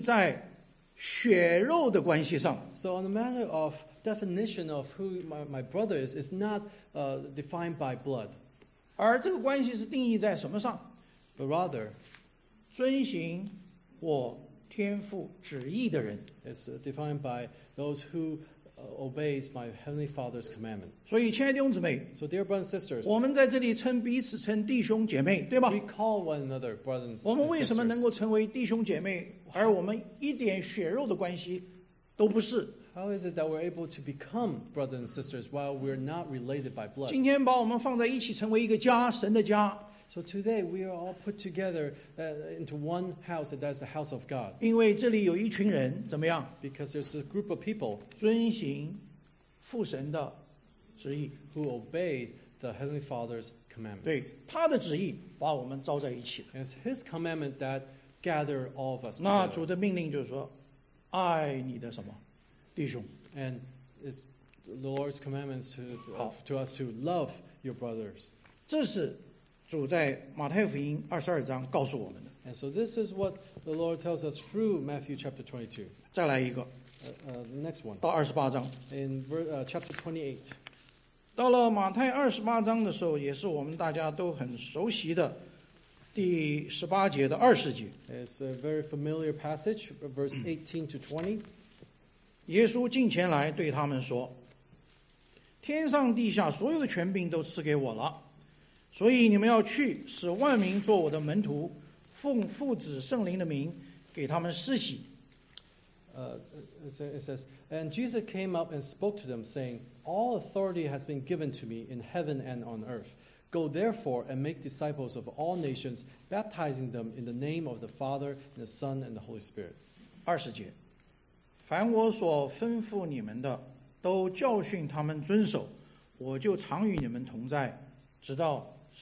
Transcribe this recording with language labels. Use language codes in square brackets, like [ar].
[zh] 所以在这个弟兄的关系上, [en] so on the matter of definition of who my brother is, it's not defined by blood. [zh] 而这个关系是定义在什么上? [en] But rather, [zh] 遵行我 [en] It's defined by those who obeys my Heavenly Father's commandment. [zh] 所以亲爱的弟兄姊妹, [en] so dear brothers and sisters, [zh] 我们在这里称彼此称弟兄姐妹, 对吧? [en] We call one another brothers and sisters. [zh] 我们为什么能够成为弟兄姐妹, 而我们一点血肉的关系都不是? [en] How is it that we're able to become brothers and sisters while we're not related by blood? [zh] 今天把我们放在一起成为一个家, 神的家, [en] so today we are all put together into one house, and that's the house of God. [zh] 因为这里有一群人, 怎么样? [en] Because there's a group of people [zh] 遵行父神的旨意, [en] who obey the Heavenly Father's commandments. [zh] 对, 他的旨意把我们召在一起的。 [en] It's His commandment that gather all of us together. [zh] 那主的命令就是说, 爱你的什么? 弟兄。 [en] And it's the Lord's commandments to us to love your brothers. [zh] 这是 主在马太福音22章告诉我们的。 [en] And so this is what the Lord tells us through Matthew chapter 22. [zh] 再来一个, [en] next one. [zh] 到28章, [en] in chapter 28. [zh] 到了马太28章的时候, 也是我们大家都很熟悉的第18节的20节。 [en] It's a very familiar passage, verse 18 to 20. [zh] 耶稣近前来对他们说, 天上地下所有的权柄都赐给我了, 所以你们要去使万民做我的门徒, 奉父子圣灵的名, 给他们施洗。 [en] It says, and Jesus came up and spoke to them, saying, all authority has been given to me in heaven and on earth. Go therefore and make disciples of all nations, baptizing them in the name of the Father, and the Son, and the Holy Spirit. [zh] 20节, 凡我所吩咐你们的, 都教训他们遵守, 我就常与你们同在, 直到